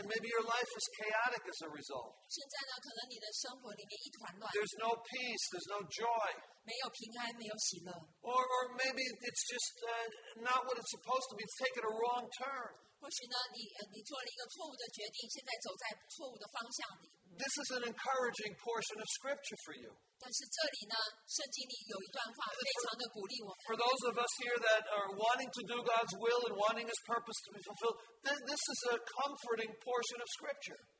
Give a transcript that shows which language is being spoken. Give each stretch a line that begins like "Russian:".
English: And maybe your life is chaotic as a result.
Chinese: 现在呢，可能你的生活里面一团乱。
English: There's no peace, there's no joy.
Chinese: 没有平安，没有喜乐。
English: Or maybe it's just not what it's supposed to be, it's taken a wrong turn.
Chinese: 或许呢，你做了一个错误的决定，现在走在错误的方向里。
English: This is an encouraging portion of Scripture for you.
Chinese: 但是这里呢,
English: for those of us here that are wanting to do God's will and wanting His purpose to be fulfilled, this is a comforting portion of Scripture.